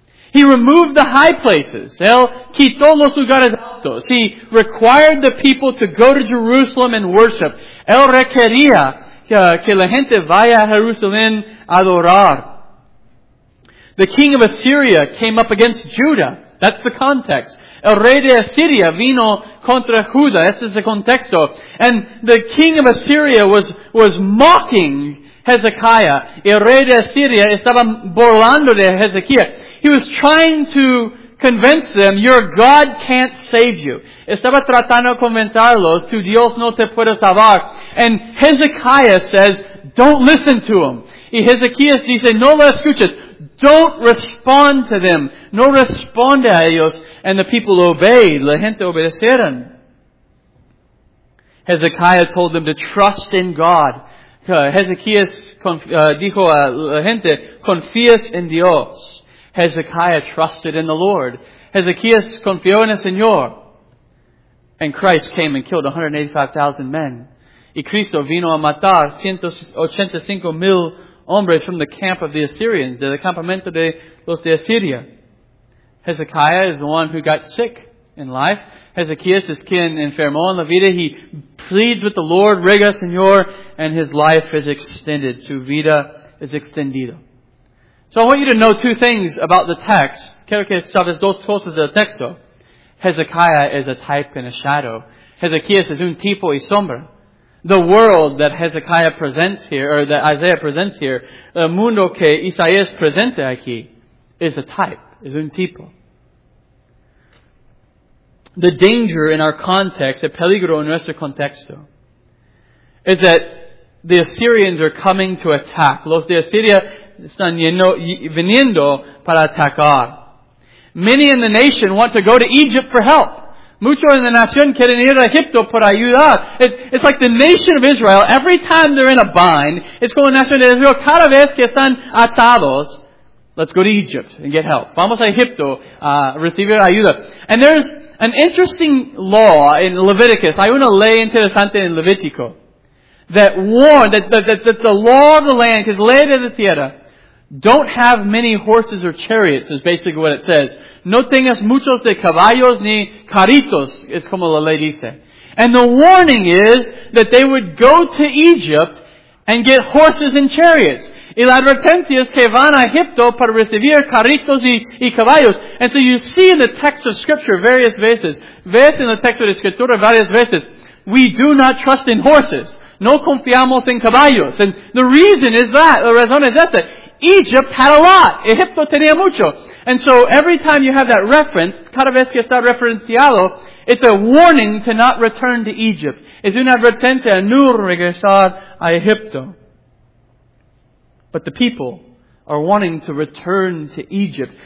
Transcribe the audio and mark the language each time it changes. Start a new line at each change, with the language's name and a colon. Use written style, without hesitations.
English: He removed the high places.
Spanish: Él quitó los lugares altos.
English: He required the people to go to Jerusalem and worship.
Spanish: Él requería que la gente vaya a Jerusalén a adorar.
English: The king of Assyria came up against Judah. That's the context.
Spanish: El rey de Asiria vino contra Judá. Este es el contexto.
English: And the king of Assyria was mocking Hezekiah.
Spanish: El rey de Asiria estaba burlando de Hezekiah.
English: He was trying to convince them, your God can't save you.
Spanish: Estaba tratando de convencerlos, tu Dios no te puede salvar.
English: And Hezekiah says, don't listen to him.
Spanish: Y Hezekiah dice, no lo escuches.
English: Don't respond to them.
Spanish: No responde a ellos.
English: And the people obeyed.
Spanish: La gente obedecieron.
English: Hezekiah told them to trust in God.
Spanish: Hezekiah dijo a la gente, confías en Dios.
English: Hezekiah trusted in the Lord.
Spanish: Hezekiah confió en el Señor.
English: And Christ came and killed 185,000 men.
Spanish: Y Cristo vino a matar 185,000 hombres
English: from the camp of the Assyrians,
Spanish: de el campamento de los de Asiria.
English: Hezekiah is the one who got sick in life.
Spanish: Hezekiah is quien enfermó en la vida.
English: He pleads with the Lord,
Spanish: rega, Señor,
English: and his life is extended.
Spanish: Su vida es extendida.
English: So I want you to know two things about the text.
Spanish: Quiero que sabes dos cosas del texto.
English: Hezekiah is a type and a shadow. Hezekiah is
Spanish: un tipo y sombra.
English: The world that Hezekiah presents here, or that Isaiah presents here,
Spanish: el mundo que Isaías presenta aquí,
English: is a type, is
Spanish: un tipo.
English: The danger in our context,
Spanish: el peligro en nuestro contexto,
English: is that the Assyrians are coming to attack.
Spanish: Los de Asiria están viniendo para atacar.
English: Many in the nation want to go to Egypt for help.
Spanish: Muchos en la nación quieren ir a Egipto por ayudar.
English: It's like the nation of Israel, every time they're in a bind, it's
Spanish: como la nación de Israel, cada vez que están atados,
English: let's go to Egypt and get help.
Spanish: Vamos a Egipto a recibir ayuda.
English: And there's an interesting law in Leviticus.
Spanish: Hay una ley interesante en Levítico
English: that warned that the law of the land, because
Spanish: ley de la tierra,
English: don't have many horses or chariots, is basically what it says.
Spanish: No tengas muchos de caballos ni carritos, es como la ley dice.
English: And the warning is that they would go to Egypt and get horses and chariots.
Spanish: Y la advertencia es que van a Egipto para recibir carritos y caballos.
English: And so you see in the text of Scripture various veces,
Spanish: ves en el texto de Escritura varias veces,
English: we do not trust in horses.
Spanish: No confiamos en caballos.
English: And the reason is that,
Spanish: la razón es esta,
English: Egypt had a lot.
Spanish: Egipto tenía mucho.
English: And so every time you have that reference,
Spanish: cada vez que está referenciado,
English: it's a warning to not return to Egypt.
Spanish: Es una advertencia a no regresar a Egipto.
English: But the people are wanting to return to Egypt.